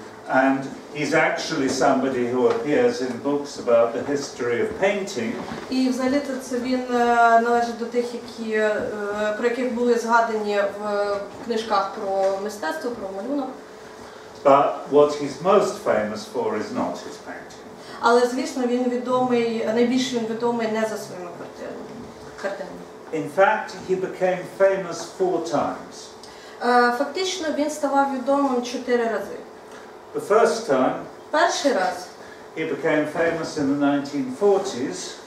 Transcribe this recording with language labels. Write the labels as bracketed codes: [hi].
[en] And he's actually somebody who appears in books about the history of painting. [uk] І взагалі це він належить до тих, які про яких були згадані в книжках про мистецтво, про малюнок. [en] But what he's most famous for is not his painting. [uk] Але звісно, він відомий, найбільш він відомий не за своїми картинами. [en] In fact, he became famous four times. [uk] Фактично він ставав відомим 4 рази. [en] The first time, [uk] перший раз, [en] he became famous in the 1940s.